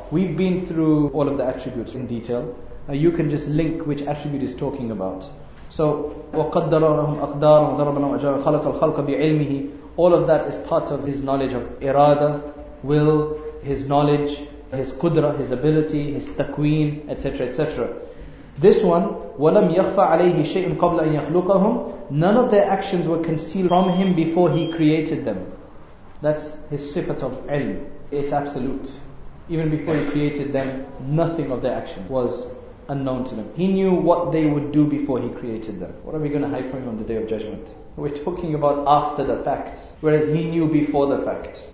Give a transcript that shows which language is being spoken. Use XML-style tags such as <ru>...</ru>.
<en>We've been through all of the attributes in detail. Now you can just link which attribute is talking about. So</en> <ar>وَقَدَّرَ لَهُمْ أَقْدَارًا وَضَرَبَ لَهُمْ أَجَلًا خَلَقَ الْخَلْقَ بِعِلْمِهِ.</ar> <en>All of that is part of His knowledge of irada, will, His knowledge, His qudra, His ability, His taqween, etc., etc. This one,</en> <ar>وَلَمْ يَخْفَ عَلَيْهِ شَيْءٍ قَبْلَ أَن يَخْلُقَهُمْ.</ar> <en>None of their actions were concealed from Him before He created them. That's His sifat of ilm. It's absolute. Even before He created them, nothing of their action was unknown to them. He knew what they would do before He created them. What are we going to hide from Him on the Day of Judgment? We're talking about after the fact, whereas He knew before the fact.</en>